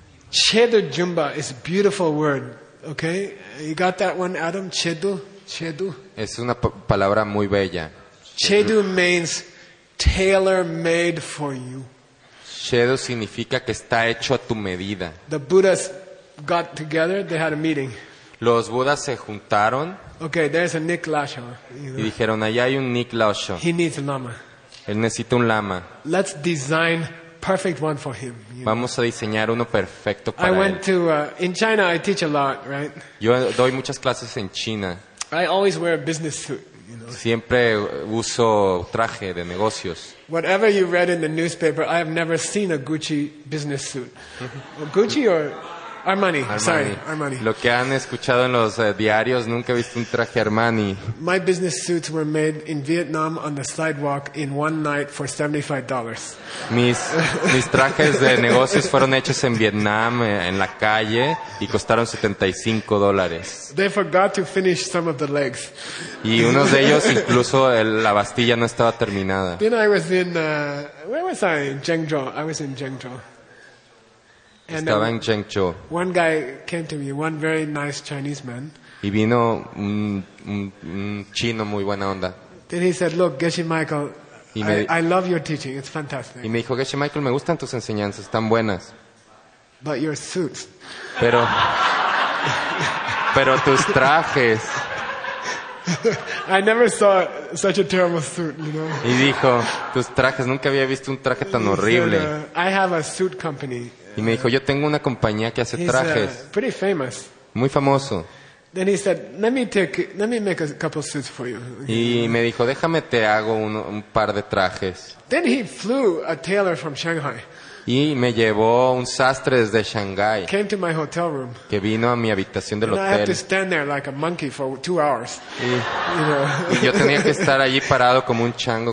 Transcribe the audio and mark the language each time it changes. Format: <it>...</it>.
<en>Chedu jumba is a beautiful word. Okay, you got that one, Adam?</en> <bo>Chedu.</bo> <es>Es una palabra muy bella.</es> <en>Chedu means tailor made for you.</en> <es>Chedu significa que está hecho a tu medida.</es> <en>The Buddhas got together. They had a meeting.</en> <es>Los Budas se juntaron.</es> <en>Okay, there's a Nick Lhasa. You know.</en> <es>Y dijeron, allá hay un Nick Lhasa.</es> <en>He needs a lama.</en> <es>Él necesita un lama.</es> <en>Let's design perfect one for him.</en> <es>Vamos a diseñar uno perfecto para él.</es> <en>I went to in China. I teach a lot, right?</en> <es>Yo doy muchas clases en China.</es> <en>I always wear a business suit. You know.</en> <es>Siempre uso traje de negocios.</es> <en>Whatever you read in the newspaper, I have never seen a Gucci business suit. Gucci or Armani. Sorry, Armani.</en> <es>Lo que han escuchado en los diarios, nunca he visto un traje Armani.</es> <en>My business suits were made in Vietnam on the sidewalk in one night for $75.</en> <es>Mis trajes de negocios fueron hechos en Vietnam en la calle y costaron $75.</es> <en>They forgot to finish some of the legs.</en> <es>Y unos de ellos incluso la bastilla no estaba terminada.</es> <en>Then I was in where was I? Zhengzhou. I was in Zhengzhou.</en> <es>Estaba en Zhengzhou.</es> <en>One guy came to me, one very nice Chinese man.</en> <es>Y vino un chino muy buena onda.</es> <en>Then he said, "Look, Geshe Michael, I love your teaching. It's fantastic."</en> <es>Y me dijo, "Geshe Michael, me gustan tus enseñanzas, están buenas."</es> <en>But your suits.</en> <es>Pero tus trajes.</es> <en>I never saw such a terrible suit, you know.</en> <es>Y dijo, "Tus trajes, nunca había visto un traje tan horrible."</es> <en>I have a suit company.</en> <es>Y me dijo, yo tengo una compañía que hace trajes.</es> <en>Pretty famous.</en> <es>Muy famoso.</es> <en>Then he said, let me make a couple suits for you.</en> <es>Y me dijo, déjame te hago un par de trajes.</es> <en>Then he flew a tailor from Shanghai.</en> <es>Y me llevó un sastre desde Shanghai.</es> <en>Came to my hotel room.</en> <es>Que vino a mi habitación del</es> <en>and</en> <es>hotel.</es> <en>I had to stand there like a monkey for 2 hours. Y, you know.</en> <es>Y yo tenía que estar allí parado como un chango</es>